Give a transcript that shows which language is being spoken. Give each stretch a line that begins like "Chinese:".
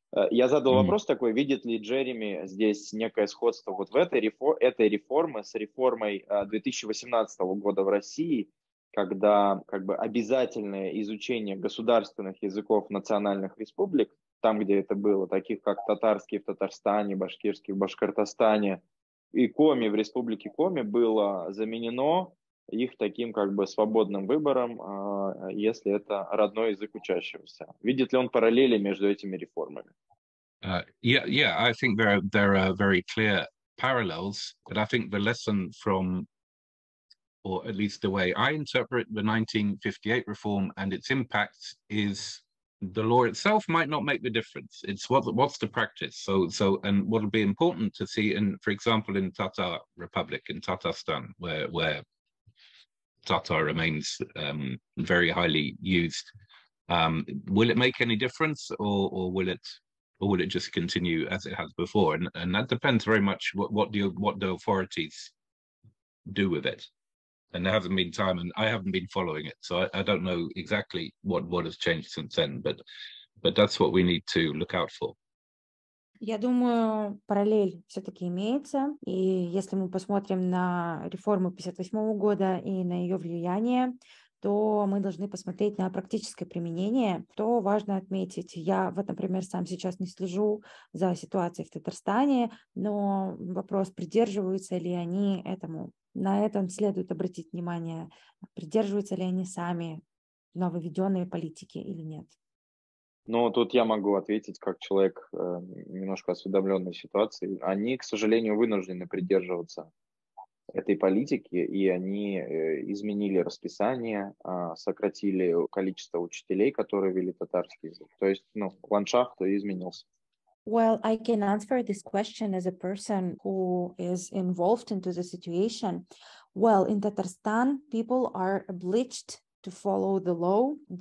Russian: Я задал вопрос такой, видит ли Джереми здесь некое сходство вот в этой реформе с реформой 2018 года в России, когда как бы обязательное изучение государственных языков национальных республик, там, где это было, таких как татарский в Татарстане, башкирский в Башкортостане и Коми в республике Коми, было заменено их таким как бы свободным выбором, если это родной язык учащегося. Видит ли он параллели между этими реформами?
English: Yeah, I think there are very clear parallels, but I think the lesson from, or at least the way I interpret the 1958 reform and its impact is the law itself might not make the difference. It's what's the practice. So and what will be important to see, in, for example, in Tatar Republic, in Tatarstan, where Tatar remains very highly used. Will it make any difference, or will it just continue as it has before? And that depends very much what the authorities do with it. And there hasn't been time, and I haven't been following it, so I don't know exactly what has changed since then. But that's what we need to look out for.
Russian: Я думаю, параллель все-таки имеется, и если мы посмотрим на реформу 58-го года и на ее влияние, то мы должны посмотреть на практическое применение. Что важно отметить, я вот, например, сам сейчас не слежу за ситуацией в Татарстане, но вопрос, придерживаются ли они этому, на этом следует обратить внимание, придерживаются ли они сами нововведенные политики или нет. Но тут я могу ответить как человек, немножко осведомленный ситуацией. Они, к сожалению, вынуждены придерживаться этой политики, и они изменили расписание, сократили количество учителей, которые вели татарский язык. То есть, ну, ландшафт изменился.
English: Well, I can answer this question as a person who is involved into the situation. Well, in Tatarstan, people are obliged to follow the law.